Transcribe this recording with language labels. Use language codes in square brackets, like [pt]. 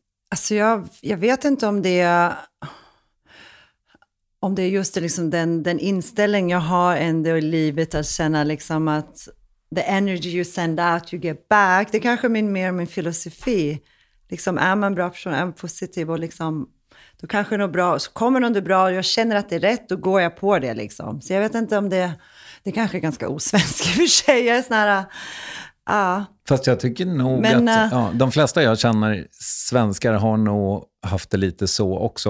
[sv] Alltså jag vet inte om det är... Om det är just det, liksom den inställning jag har ändå i livet att känna liksom att... [en] The energy you send out, you get back. [sv] Det är kanske mer min filosofi. Liksom, är man bra person, är man positiv och liksom, då kanske det är bra. Så kommer något bra och jag känner att det är rätt, då går jag på det liksom. Så jag vet inte om det kanske är ganska osvensk i och för sig. Jag är sån här, Fast jag tycker nog de flesta jag känner, svenskar, har nog haft det lite så också.